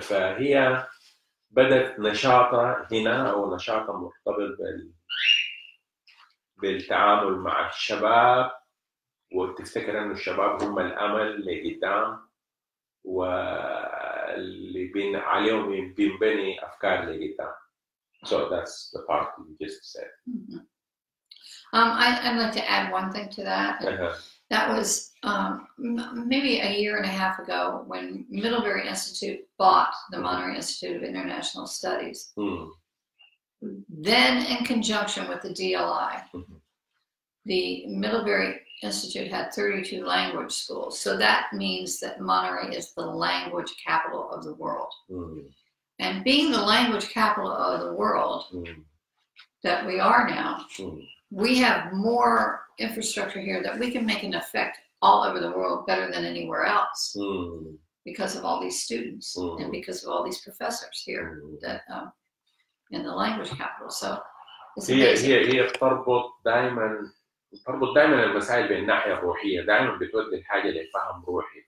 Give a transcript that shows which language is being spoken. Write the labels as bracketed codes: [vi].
[ar] فهي بدت نشاطها هنا، او نشاطها مرتبط بالتعامل مع الشباب، وتفتكر ان الشباب هم الامل لقدام، واللي بين عليهم بينبني افكار لقدام. [en] So that's the part you just said. I'd like to add one thing to that. That was maybe a year and a half ago when Middlebury Institute bought the Monterey Institute of International Studies. Then in conjunction with the DLI, the Middlebury Institute had 32 language schools. So that means that Monterey is the language capital of the world. And being the language capital of the world that we are now, we have more infrastructure here that we can make an effect all over the world better than anywhere else because of all these students and because of all these professors here that in the language capital. So it's amazing. [ar] هي بتربط دائما، بتربط دائما المسائل بالناحيه الروحيه، دائما بتودي الحاجه لفهم روحي.